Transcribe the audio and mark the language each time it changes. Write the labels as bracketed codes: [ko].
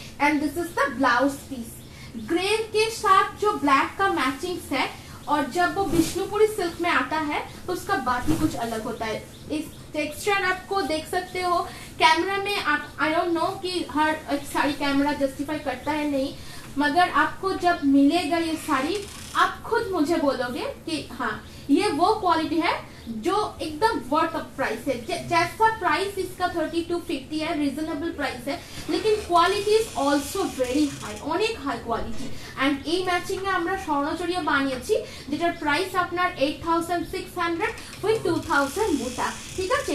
[en] and this is the blouse piece, [hi] grey কে সাথ যো black কা ম্যাচিং সেট। और जब वो बिश्नुपुरी सिल्क में आता है तो उसका बात ही कुछ अलग होता है। इस टेक्सचर आपको देख सकते हो कैमरा में, आप [en] I don't know [hi] कि हर साड़ी कैमरा जस्टिफाई करता है नहीं, मगर आपको जब मिलेगा ये साड़ी आप खुद मुझे बोलोगे कि हाँ ये वो क्वालिटी है जो एकदम वर्थ ऑफ प्राइस है। जैसा प्राइस इसका 3250 है, रीजनेबल प्राइस है, लेकिन [en] quality is also very high, [hi] अनेक high quality. [en] and a matching [bn] আমরা স্বর্ণচুরি বানিয়েছি যেটার প্রাইস আপনার 8600 উইথ 2000 মোটা, ঠিক আছে?